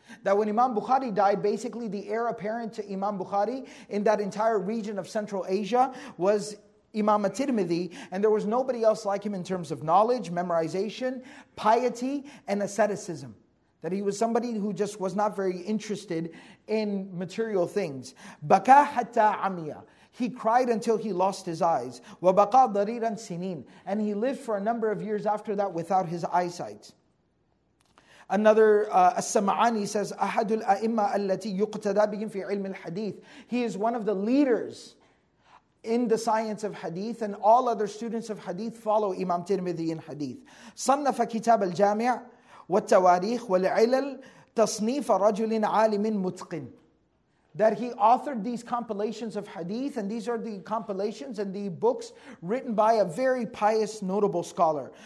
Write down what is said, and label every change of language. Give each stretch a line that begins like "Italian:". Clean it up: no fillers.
English: That when Imam Bukhari died, basically the heir apparent to Imam Bukhari in that entire region of Central Asia was Imam At-Tirmidhi, and there was nobody else like him in terms of knowledge, memorization, piety, and asceticism. That he was somebody who just was not very interested in material things.
Arabic: Baka hatta amiya.
English: He cried until he lost his eyes.
Arabic: وَبَقَى ضَرِيرًا سِنِينَ.
English: And he lived for a number of years after that without his eyesight. Another As-Sama'ani says,
Arabic: أَحَدُ الْأَئِمَّةَ الَّتِي يُقْتَدَى بِهِمْ فِي عِلْمِ الْحَدِيثِ.
English: He is one of the leaders in the science of hadith, and all other students of hadith follow Imam Tirmidhi in hadith.
Arabic: صَنَّفَ كِتَابَ الْجَامِعِ وَالتَّوَارِيخِ وَالْعِلَلِ تَصْنِيفَ رَجُلٍ عَالِمٍ مُتْقِنٍ.
English: That he authored these compilations of hadith, and these are the compilations and the books written by a very pious, notable scholar.